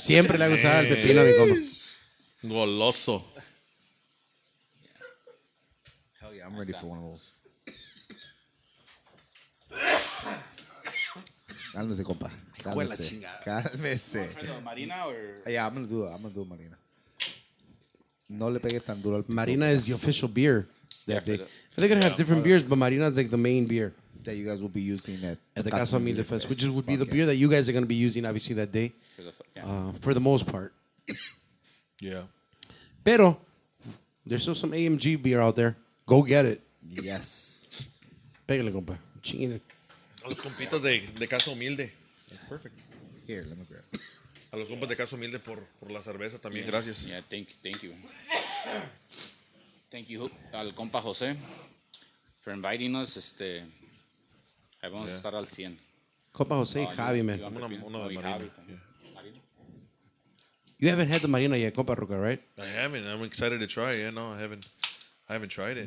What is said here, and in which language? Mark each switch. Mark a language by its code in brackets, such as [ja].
[es] Siempre le ha gustado el pepino, mi compa. Goloso. [en] Hell yeah, I'm ready for one of those. [es] Cálmese, compa. Cálmese. Marina [en] or... Yeah, I'm gonna do Marina. [es] No le pegue tan duro al pico. [en] Marina is the official beer. They're gonna have different beers, but Marina is like the main beer that you guys will be using at the Casa Humilde Fest, which would be the beer that you guys are gonna be using, obviously, that day. For the most part. Yeah. [es] Pero, [en] there's still some AMG beer out there. Go get it. Yes. [es] Pégale, compa. Chingue. Los compitos de Casa Humilde. Perfect. Here, let me grab. A los compas de Casa Humilde por la cerveza también, gracias. [en] Yeah, thank you. Thank you [es] al compa [en] José for inviting us. [es] Ahí vamos a estar al 100. Compa José y Javi, man. Una de Marina. Javi, [en] you haven't had the Marina yet, compa Roca, right? I haven't. I'm excited to try it. Yeah, no, I haven't tried it.